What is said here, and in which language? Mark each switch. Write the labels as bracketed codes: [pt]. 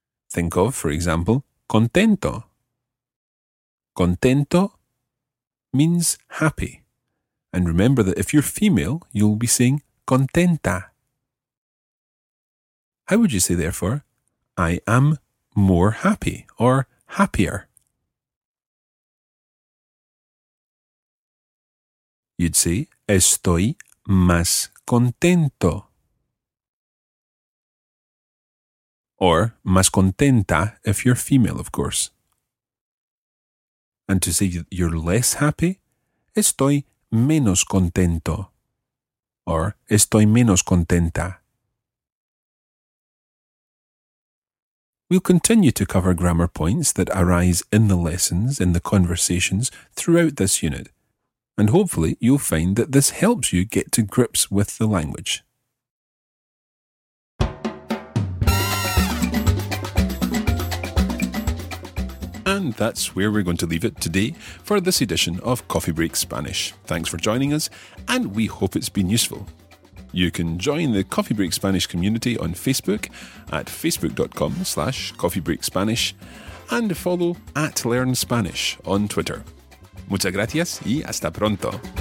[en] Think of, for example, contento. Contento means happy. And remember that if you're female, you'll be saying contenta. How would you say, therefore, I am more happy or happier? You'd say, estoy más contento. Or, más contenta if you're female, of course. And to say you're less happy, estoy menos contento. [es] Or, estoy menos contenta. [en] We'll continue to cover grammar points that arise in the lessons, in the conversations, throughout this unit. And hopefully you'll find that this helps you get to grips with the language. And that's where we're going to leave it today for this edition of Coffee Break Spanish. Thanks for joining us, and we hope it's been useful. You can join the Coffee Break Spanish community on Facebook at facebook.com/coffeebreakspanish and follow at Learn Spanish on Twitter. [es] Muchas gracias y hasta pronto.